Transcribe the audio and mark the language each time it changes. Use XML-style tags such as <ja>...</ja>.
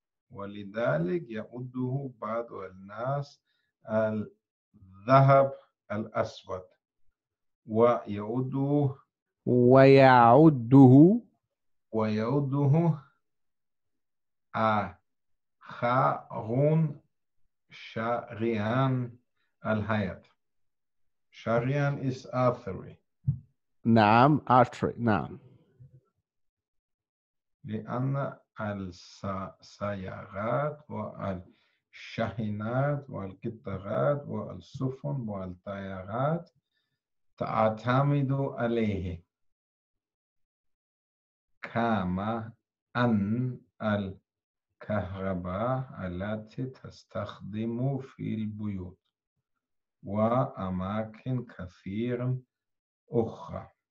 <ar>ولذلك يعده بعض الناس الذهب الأسود ويعده آخرون شريان الحياة.</ar> <en>شريان is artery.</en> <ar>نعم artery. نعم لأن السيارات والشاحنات والقطارات والسفن والطائرات تعتمد عليه كما أن الكهرباء التي تستخدم في البيوت وأماكن كثيرة أخرى</ar>